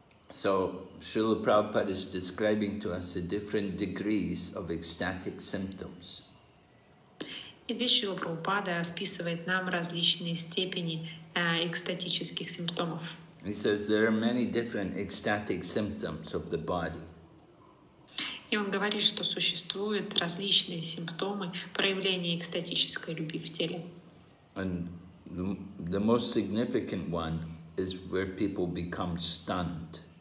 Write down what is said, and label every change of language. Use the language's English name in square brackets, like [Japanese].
[English] So, Srila Prabhupada is describing to us the different degrees of ecstatic symptoms. [Russian] И здесь Шрила Прабхупада описывает нам различные степени экстатических симптомов. [English] He says there are many different ecstatic symptoms of the body. [Russian] И он говорит, что существуют различные симптомы проявления экстатической любви в теле. [English] And the most significant one is where people become stunned.